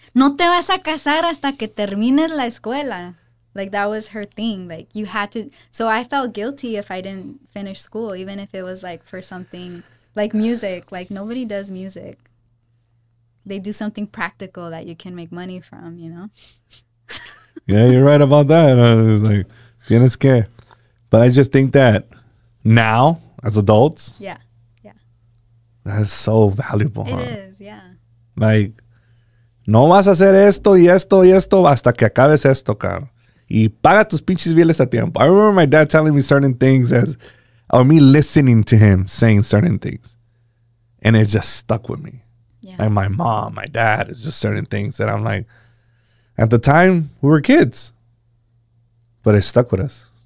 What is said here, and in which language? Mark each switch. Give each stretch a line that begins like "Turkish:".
Spanish: No te vas a casar hasta que termines la escuela.
English: Like, that was her thing. Like, you had to. So I felt guilty if I didn't finish school, even if it was, like, for something. Like music, like nobody does music. They do something practical that you can make money from, you know? Yeah, you're right about that. I was like,
Spanish: tienes que.
English: But I just think that now, as adults. Yeah, yeah. That's so valuable. It huh? is, yeah.
Spanish: Like, no vas a hacer esto y esto y esto hasta que acabes esto, car. Y paga tus pinches bienes a tiempo.
English: I remember my dad telling me certain things as, or me listening to him saying certain things. And it just stuck with me. Yeah. Like my mom, my dad, it's just certain things that I'm like, at the time, we were kids. But it stuck with us.